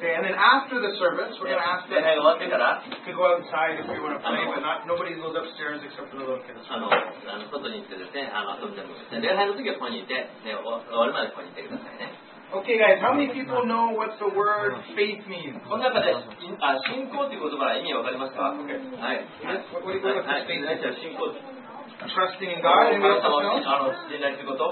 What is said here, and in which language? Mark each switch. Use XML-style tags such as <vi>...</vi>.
<en>Okay, and then after the service, we're gonna ask them to go outside if we want to play, but nobody goes upstairs except for the little kids.</en> <ja>外に行ってですね、遊んでもですね、礼拝の時はここにいて、ね、終わるまでここにいてくださいね。</ja> <en>Okay, guys. How many people know what the word faith means?</en> <ja>この中で信仰という言葉の意味わかりますか？</ja> <en>Okay. はい。What do you call faith?</en> <ja>信仰。</ja> <en>Trusting in God.</en> <ja>神様を信じないということ。</ja>